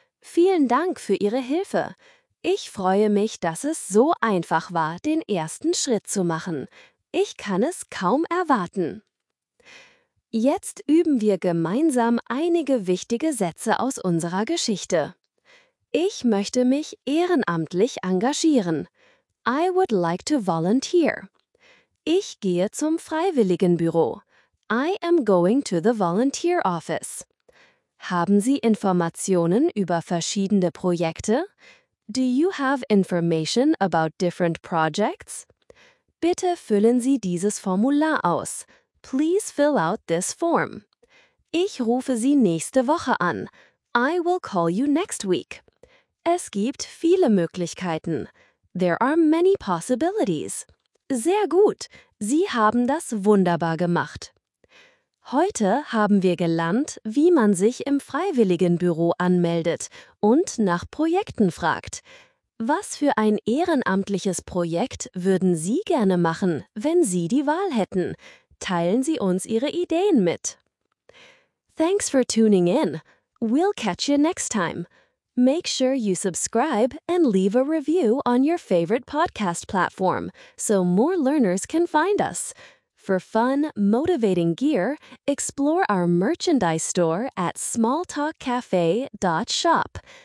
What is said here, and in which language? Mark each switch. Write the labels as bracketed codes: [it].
[de] Vielen Dank für Ihre Hilfe. Ich freue mich, dass es so einfach war, den ersten Schritt zu machen. Ich kann es kaum erwarten. Jetzt üben wir gemeinsam einige wichtige Sätze aus unserer Geschichte. Ich möchte mich ehrenamtlich engagieren. [en] I would like to volunteer. [de] Ich gehe zum Freiwilligenbüro. [en] I am going to the volunteer office. [de] Haben Sie Informationen über verschiedene Projekte? [en] Do you have information about different projects? [de] Bitte füllen Sie dieses Formular aus. [en] Please fill out this form. [de] Ich rufe Sie nächste Woche an. [en] I will call you next week. [de] Es gibt viele Möglichkeiten. [en] There are many possibilities. [de] Sehr gut. Sie haben das wunderbar gemacht. Heute haben wir gelernt, wie man sich im Freiwilligenbüro anmeldet und nach Projekten fragt. Was für ein ehrenamtliches Projekt würden Sie gerne machen, wenn Sie die Wahl hätten? Teilen Sie uns Ihre Ideen mit. [en] Thanks for tuning in. We'll catch you next time. Make sure you subscribe and leave a review on your favorite podcast platform so more learners can find us. For fun, motivating gear, explore our merchandise store at smalltalkcafe.shop.